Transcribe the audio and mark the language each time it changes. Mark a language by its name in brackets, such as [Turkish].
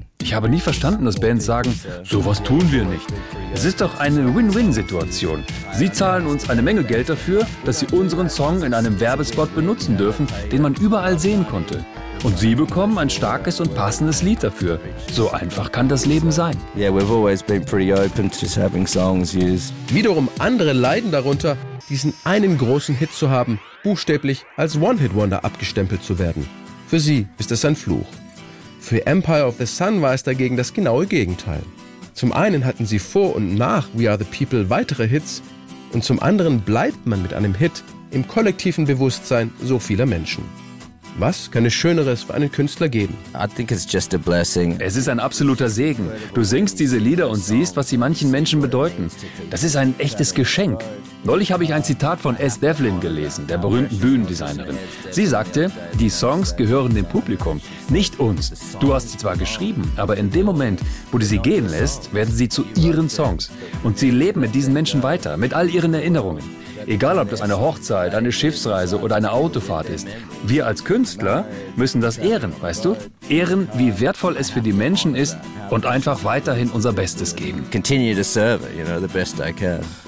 [German] Ich habe nie verstanden, dass Bands sagen, sowas tun wir nicht. Es ist doch eine Win-Win-Situation. Sie zahlen uns eine Menge Geld dafür, dass sie unseren Song in einem Werbespot benutzen dürfen, den man überall sehen konnte. Und sie bekommen ein starkes und passendes Lied dafür. So einfach kann das Leben sein. [English] Yeah, we've always been pretty open to just having songs used. [German] Wiederum andere leiden darunter, diesen einen großen Hit zu haben, buchstäblich als One-Hit-Wonder abgestempelt zu werden. Für sie ist es ein Fluch. Für Empire of the Sun war es dagegen das genaue Gegenteil. Zum einen hatten sie vor und nach We Are The People weitere Hits und zum anderen bleibt man mit einem Hit im kollektiven Bewusstsein so vieler Menschen. Was kann es Schöneres für einen Künstler geben? [English] I think it's just a blessing. [German] Es ist ein absoluter Segen. Du singst diese Lieder und siehst, was sie manchen Menschen bedeuten. Das ist ein echtes Geschenk. Neulich habe ich ein Zitat von S. Devlin gelesen, der berühmten Bühnendesignerin. Sie sagte, die Songs gehören dem Publikum, nicht uns. Du hast sie zwar geschrieben, aber in dem Moment, wo du sie gehen lässt, werden sie zu ihren Songs. Und sie leben mit diesen Menschen weiter, mit all ihren Erinnerungen. Egal, ob das eine Hochzeit, eine Schiffsreise oder eine Autofahrt ist. Wir als Künstler müssen das ehren, weißt du? Ehren, wie wertvoll es für die Menschen ist und einfach weiterhin unser Bestes geben. [English] Continue to serve, you know, the best I can.